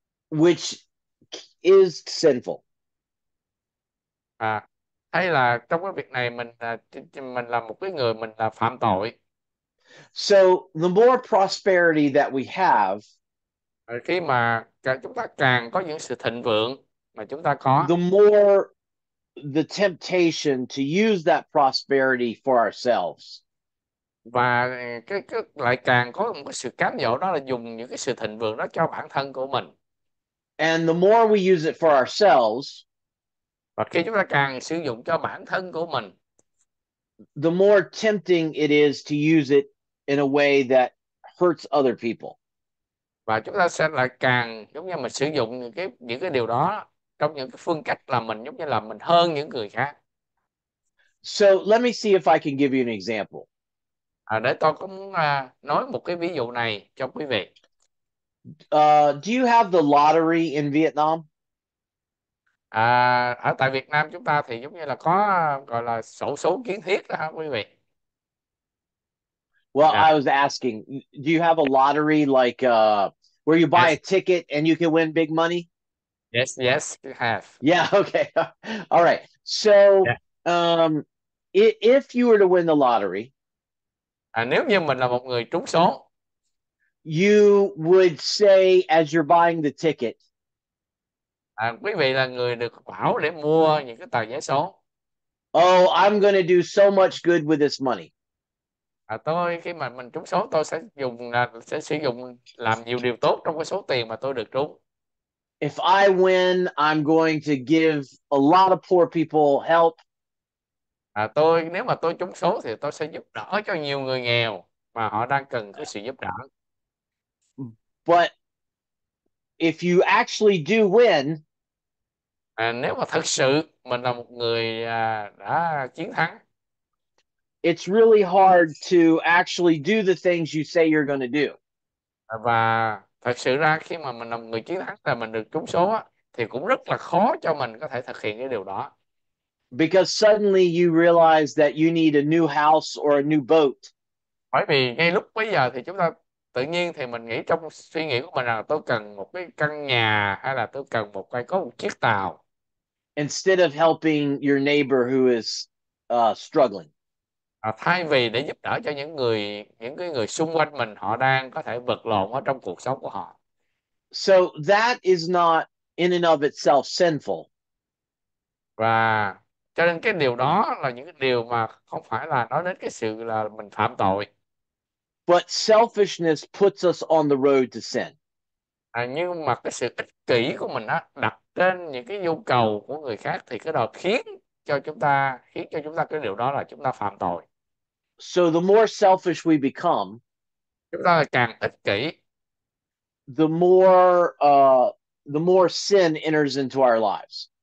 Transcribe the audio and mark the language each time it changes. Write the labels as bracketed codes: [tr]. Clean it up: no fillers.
[en] Which is sinful. [vi] À, hay là trong cái việc này mình là một cái người mình là phạm tội. [en] So the more prosperity that we have, [vi] Khi mà chúng ta càng có những sự thịnh vượng mà chúng ta có, [en] the more the temptation to use that prosperity for ourselves. [vi] và cái lại càng có một cái sự cám dỗ đó là dùng những cái sự thịnh vượng đó cho bản thân của mình. [en] And the more we use it for ourselves, [vi] Và khi chúng ta càng sử dụng cho bản thân của mình, [en] the more tempting it is to use it in a way that hurts other people. [vi] và chúng ta sẽ lại càng giống như mình sử dụng những cái điều đó trong những cái phương cách là mình giống như là mình hơn những người khác. [en] So let me see if I can give you an example. [vi] À, để tôi cũng nói một cái ví dụ này cho quý vị. [en] Do you have the lottery in Vietnam? [vi] À, ở tại Việt Nam chúng ta thì giống như là có gọi là xổ số kiến thiết đó hả quý vị? [en] Well, I was asking, do you have a lottery like where you buy a ticket and you can win big money? Yes, Yeah, okay. All right. So, if you were to win the lottery, [vi] À, nếu như mình là một người trúng số. [en] you would say as you're buying the ticket, [vi] À, quý vị là người được bảo để mua những cái tờ vé số. [en] oh, I'm going to do so much good with this money. [vi] À, tôi khi mà mình trúng số tôi sẽ sử dụng làm nhiều điều tốt trong cái số tiền mà tôi được trúng. [en] If I win, I'm going to give a lot of poor people help. [vi] À, tôi nếu mà tôi trúng số thì tôi sẽ giúp đỡ cho nhiều người nghèo mà họ đang cần cái sự giúp đỡ. [en] But if you actually do win, [vi] À, nếu mà thật sự mình là một người đã chiến thắng, [en] it's really hard to actually do the things you say you're going to do. [vi] và thật sự ra khi mà mình là một người chiến thắng là mình được trúng số thì cũng rất là khó cho mình có thể thực hiện cái điều đó. [en] Because suddenly you realize that you need a new house or a new boat. [vi] Bởi vì ngay lúc bây giờ thì chúng ta tự nhiên thì mình nghĩ trong suy nghĩ của mình là tôi cần một cái căn nhà hay là tôi cần một cái có một chiếc tàu. [en] Instead of helping your neighbor who is struggling. [vi] À, thay vì để giúp đỡ cho những cái người xung quanh mình họ đang có thể vật lộn ở trong cuộc sống của họ. [en] So that is not in and of itself sinful. [vi] Và cho nên cái điều đó là những cái điều mà không phải là nói đến cái sự là mình phạm tội. [en] But selfishness puts us on the road to sin. [vi] À, nhưng mà cái sự ích kỷ của mình á đặt trên những cái nhu cầu của người khác thì cái đó khiến cho chúng ta cái điều đó là chúng ta phạm tội. [en] So the more selfish we become, [vi] Chúng ta càng ích kỷ. [en] the more sin enters into our lives.